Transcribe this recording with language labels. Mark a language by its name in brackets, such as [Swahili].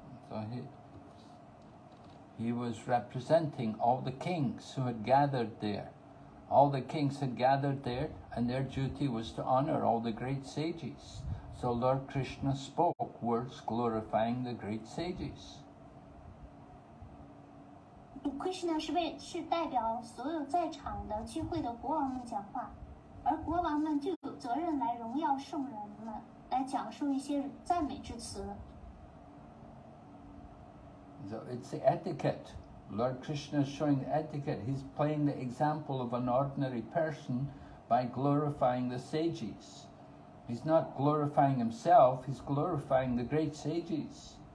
[English] So he was representing all the kings who had gathered there. All the kings had gathered there, and their duty was to honor all the great sages. So Lord Krishna spoke words glorifying the great sages. [Chinese] Krishna 是代表所有在场的聚会的国王们讲话，而国王们就有责任来荣耀圣人们，来讲述一些赞美之词。So [English] it's the etiquette. Lord Krishna is showing the etiquette. He's playing the example of an ordinary person by glorifying the sages. He's not glorifying himself, he's glorifying the great sages.